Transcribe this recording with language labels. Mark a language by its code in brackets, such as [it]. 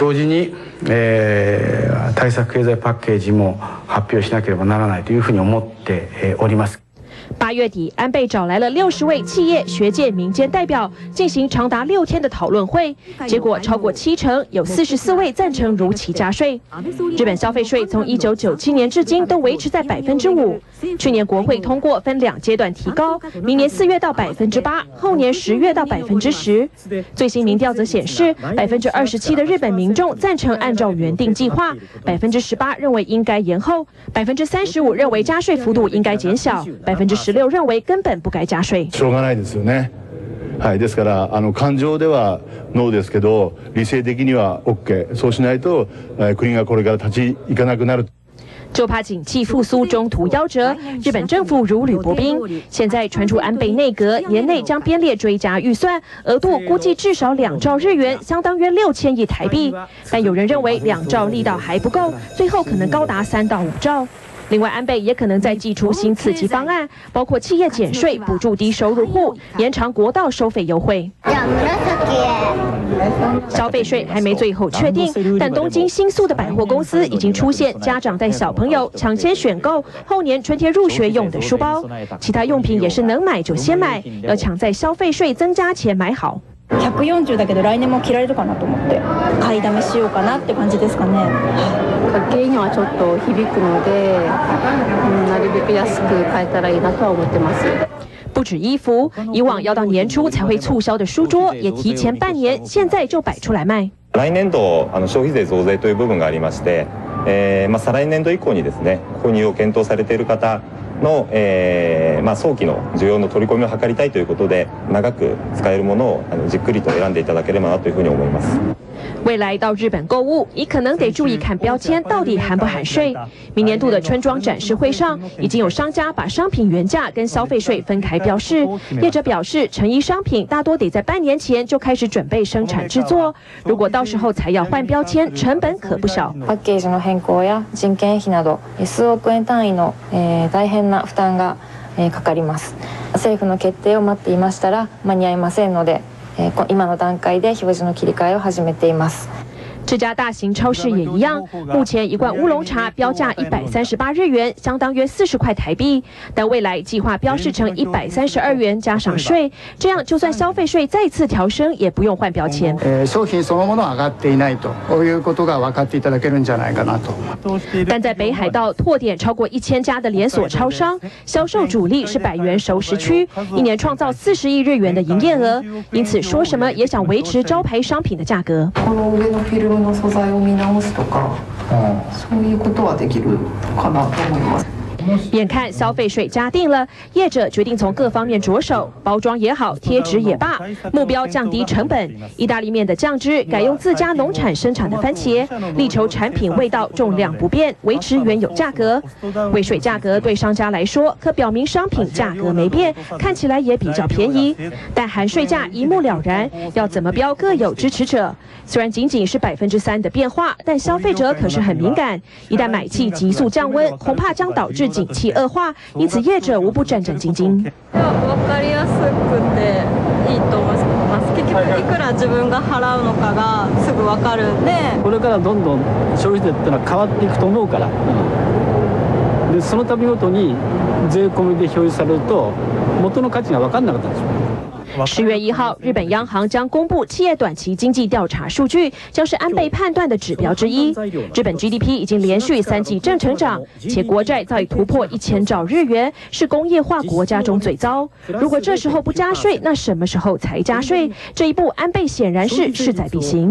[ja] 同時に対策経済パッケージも発表しなければならないというふうに思っております。 [zh] 八月底，安倍找来了60位企业、学界、民间代表进行长达6天的讨论会，结果超过70%，有44位赞成如期加税。日本消费税从1997年至今都维持在5%，去年国会通过分2阶段提高，明年4月到8%，后年10月到10%。最新民调则显示，27%的日本民众赞成按照原定计划，18%认为应该延后，35%认为加税幅度应该减小，16%认为根本不该加税。 [ja] しょうがないですよね。はい、ですから感情ではノーですけど、理性的にはOK。そうしないと国がこれから立ち行かなくなる。 [zh] 就怕景气复苏中途夭折，日本政府如履薄冰。现在传出安倍内阁年内将编列追加预算，额度估计至少2兆日元，相当约6000亿台币。但有人认为2兆力道还不够，最后可能高达3到5兆。另外，安倍也可能再祭出新刺激方案，包括企业减税、补助低收入户、延长国道收费优惠。消费税还没最后确定，但东京新宿的百货公司已经出现家长带小朋友抢先选购后年春天入学用的书包，其他用品也是能买就先买，要抢在消费税增加前买好。 [ja] 140だけど来年も着られるかなと思って買いだめしようかなって感じですかね。家計にはちょっと響くので、なるべく安く買えたらいいなとは思ってます。 [zh] 不止衣服，以往要到年初才会促销的书桌也提前半年，现在就摆出来卖。 [ja] 来年度消費税増税という部分がありまして、再来年度以降にですね、購入を検討されている方の、早期の需要の取り込みを図りたいということで、長く使えるものをじっくりと選んでいただければなというふうに思います。 [zh] 未来到日本购物，你可能得注意看标签到底含不含税。明年度的春装展示会上，已经有商家把商品原价跟消费税分开标示。业者表示，成衣商品大多得在半年前就开始准备生产制作，如果到时候才要换标签，成本可不小。 [ja] パッケージの変更や人件費など数億円単位の大変な負担がかかります。政府の決定を待っていましたら間に合いませんので。今の段階で表示の切り替えを始めています。 [zh] 这家大型超市也一样，目前一罐乌龙茶标价138日元，相当约40块台币，但未来计划标示成132元加上税，这样就算消费税再次调升也不用换标签。 [ja] 商品そのもの上がっていないということが分かっていただけるんじゃないかなと。 [zh] 但在北海道拓点超过1000家的连锁超商，销售主力是百元熟食区，一年创造40亿日元的营业额，因此说什么也想维持招牌商品的价格。 [ja] この上のフィルムの素材を見直すとか、そういうことはできるかなと思います。 [zh] 眼看消费税加定了，业者决定从各方面着手，包装也好，贴纸也罢，目标降低成本。意大利面的酱汁改用自家农产生产的番茄，力求产品味道重量不变，维持原有价格。未税价格对商家来说可表明商品价格没变，看起来也比较便宜，但含税价一目了然，要怎么标各有支持者。虽然仅仅是3%的变化，但消费者可是很敏感，一旦买气急速降温，恐怕将导致景气恶化，因此业者无不战战兢兢。 [ja] 分かりやすくていいと思います。結局いくら自分が払うのかがすぐ分かるんで。これからどんどん消費税ってのは変わっていくと思うから。でその度ごとに税込みで表示されると元の価値が分かんなかったんですよ。 [zh] 10月1日，日本央行将公布企业短期经济调查数据，将是安倍判断的指标之一。日本 GDP 已经连续3季正成长，且国债早已突破1000兆日元，是工业化国家中最糟。如果这时候不加税，那什么时候才加税？这一步安倍显然是势在必行。